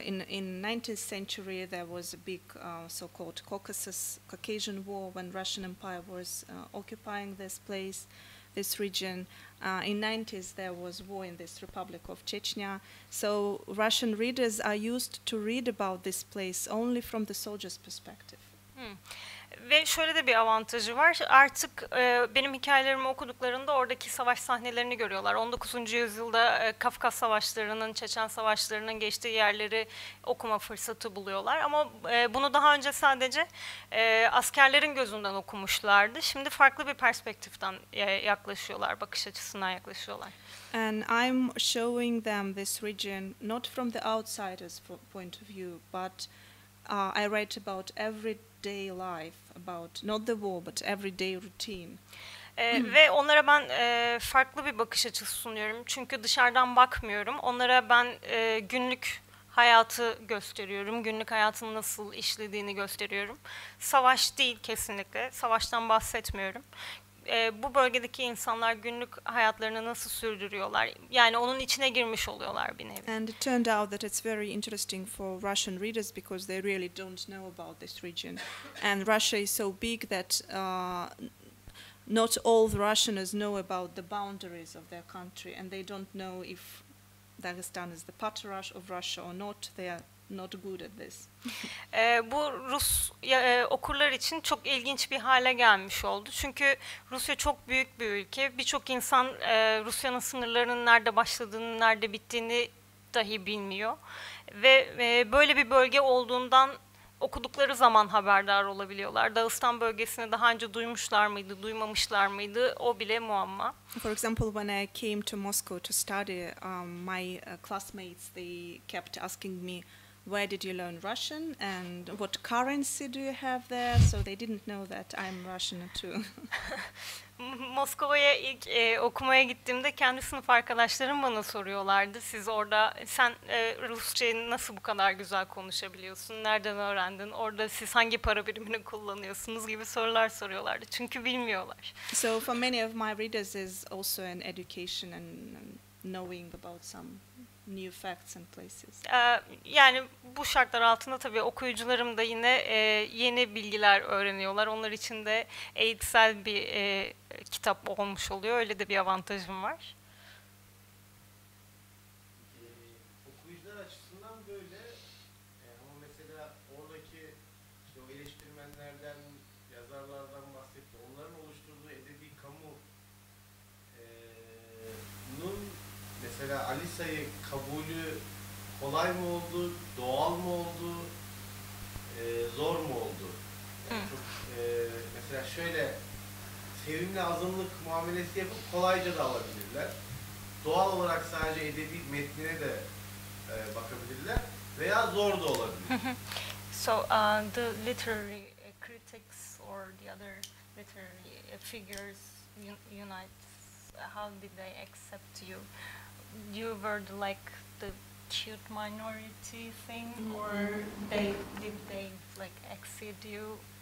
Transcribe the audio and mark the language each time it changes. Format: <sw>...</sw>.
<en>In 19th century, there was a big so-called Caucasian war when Russian Empire was occupying this place, this region. In 90s, there was war in this Republic of Chechnya. So Russian readers are used to read about this place only from the soldier's perspective.</en> <tr>Ve şöyle de bir avantajı var. Artık benim hikayelerimi okuduklarında oradaki savaş sahnelerini görüyorlar. 19. yüzyılda Kafkas savaşlarının, Çeçen savaşlarının geçtiği yerleri okuma fırsatı buluyorlar. Ama bunu daha önce sadece askerlerin gözünden okumuşlardı. Şimdi farklı bir perspektiften yaklaşıyorlar, bakış açısından yaklaşıyorlar.</tr> <en>And I'm showing them this region not from the outsider's point of view, but I write about every day life, about not the war but everyday routine.</en> <tr>Ve onlara ben farklı bir bakış açısı sunuyorum. Çünkü dışarıdan bakmıyorum. Onlara ben günlük hayatı gösteriyorum. Günlük hayatın nasıl işlediğini gösteriyorum. Savaş değil kesinlikle. Savaştan bahsetmiyorum. Bu bölgedeki insanlar günlük hayatlarını nasıl sürdürüyorlar? Yani onun içine girmiş oluyorlar bir nevi.</tr> <en>And it turned out that it's very interesting for Russian readers because they really don't know about this region. And Russia is so big that not all the Russians know about the boundaries of their country and they don't know if Dagestan is the part of Russia or not. They are not good at this.</en> <tr>Bu Rus okurlar için çok ilginç bir hale gelmiş oldu. Çünkü Rusya çok büyük bir ülke. Birçok insan Rusya'nın sınırlarının nerede başladığını, nerede bittiğini dahi bilmiyor. Ve böyle bir bölge olduğundan okudukları zaman haberdar olabiliyorlar. Dağıstan bölgesini daha önce duymuşlar mıydı, duymamışlar mıydı? O bile muamma.</tr> <en>For example, when I came to Moscow to study, my classmates, they kept asking me, where did you learn Russian and what currency do you have there? So they didn't know that I'm Russian too.</en> <tr>Moskova'ya ilk okumaya gittiğimde kendi sınıf arkadaşlarım bana soruyorlardı. Siz orada, sen Rusça'yı nasıl bu kadar güzel konuşabiliyorsun? Nereden öğrendin? Orada siz hangi para birimini kullanıyorsunuz gibi sorular soruyorlardı. Çünkü bilmiyorlar.</tr> <en>So for many of my readers is also an education and knowing about some new facts and places.</en> <tr>Yani bu şartlar altında tabii okuyucularım da yine yeni bilgiler öğreniyorlar. Onlar için de eğitsel bir kitap olmuş oluyor. Öyle de bir avantajım var. Okuyucular açısından böyle ama mesela oradaki işte o eleştirmenlerden, yazarlardan bahsetti. Onların oluşturduğu edebi kamunun mesela Alisa'yı kabulü kolay mı oldu, doğal mı oldu, zor mu oldu? Yani çok, mesela şöyle sevimli azınlık muamelesi yapıp kolayca da alabilirler. Doğal olarak sadece edebi metnine de bakabilirler veya zor da olabilir.</tr> <en>So the literary critics or the other literary figures unite, how did they accept you? You were the, like the cute minority thing, or they did they like exceed you?</en>